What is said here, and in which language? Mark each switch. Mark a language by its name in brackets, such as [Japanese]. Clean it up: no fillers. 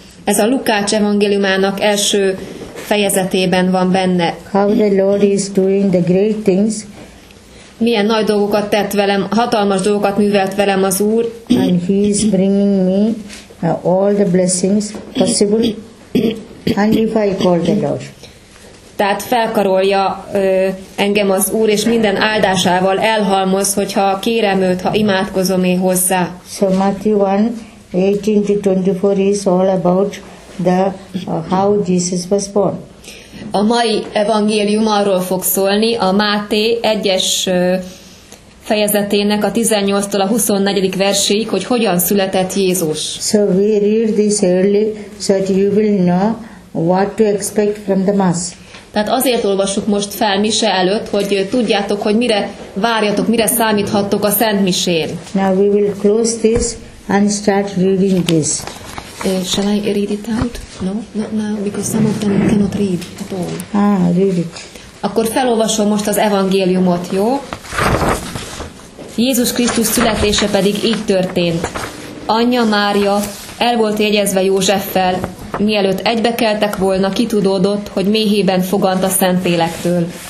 [Hungarian] Ez a Lukács evangéliumának első fejezetében van benne. [English] How the Lord is doing the great things. [Hungarian] Milyen nagy dolgokat tett velem, hatalmas dolgokat művelt velem az Úr. [English] And he is bringing me all the blessings possible. And if I call the Lord. [Hungarian] Tehát felkarolja engem az Úr, és minden áldásával elhalmoz, hogyha kérem őt, ha imádkozom én hozzá. [English] So Matthew 1:18-24 is all about the how Jesus was born. [Hungarian] A mai evangélium arról fog szólni, a Máté 1-es fejezetének a 18-tól a 24. verséig, hogy hogyan született Jézus. [English] So we read this early so that you will know what to expect from the Mass. [Hungarian] Tehát azért olvassuk most fel mise előtt, hogy tudjátok, hogy mire várjatok, mire számíthattok a Szent Misén. [English] Now we will close this and start reading this. Shall I read it out? No, not now, because some of them cannot read at all. Ah, read it. [Hungarian] Akkor felolvasom most az evangéliumot, jó? Jézus Krisztus születése pedig így történt. Anyja Mária el volt jegyezve Józseffel, mielőtt egybekeltek volna, kitudódott, hogy méhében fogant a Szentlélektől.